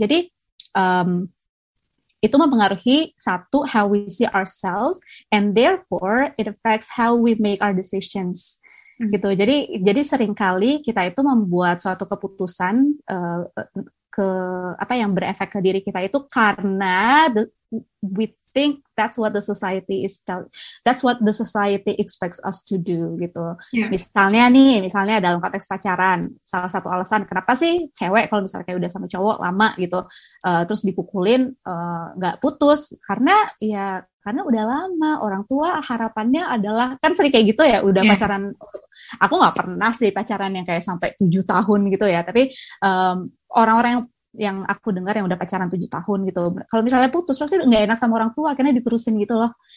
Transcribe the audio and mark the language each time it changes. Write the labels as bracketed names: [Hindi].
[Indonesian] Jadi itu mempengaruhi satu, [English] how we see ourselves, and therefore it affects how we make our decisions. Gitu. [Indonesian] Jadi seringkali kita itu membuat suatu keputusan ke apa yang berefek ke diri kita itu karena we [English] think that's what the society is tell, that's what the society expects us to do gitu. Yeah. [Indonesian] Misalnya nih, misalnya dalam konteks pacaran, salah satu alasan kenapa sih cewek kalau misalnya kayak udah sama cowok lama gitu, terus dipukulin nggak putus, karena ya karena udah lama, orang tua harapannya adalah, kan sering kayak gitu ya, udah pacaran, aku nggak pernah sih pacaran yang kayak sampai 7 tahun gitu ya, tapi orang-orang yang aku dengar yang udah pacaran 7 tahun gitu, kalau misalnya putus pasti nggak enak sama orang tua, akhirnya diterusin gitu loh.